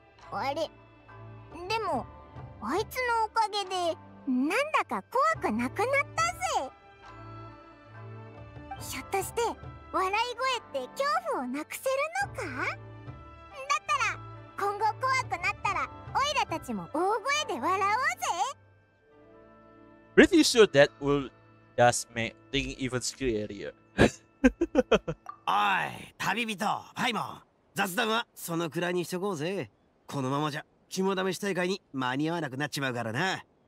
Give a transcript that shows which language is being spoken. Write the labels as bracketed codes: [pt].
[ja] あれ、でもあいつのおかげでなんだか怖くなくなったぜ。ひょっとして笑い声って恐怖をなくせるのか。だったら今後怖くなったらオイラたちも大声で笑おうぜ。 [en] Pretty sure that will just make things even scarier. [ja] Oi, 旅人、パイモン。雑談はそのくらいにしとこうぜ。このままじゃ肝試し大会に間に合わなくなっちまうからな。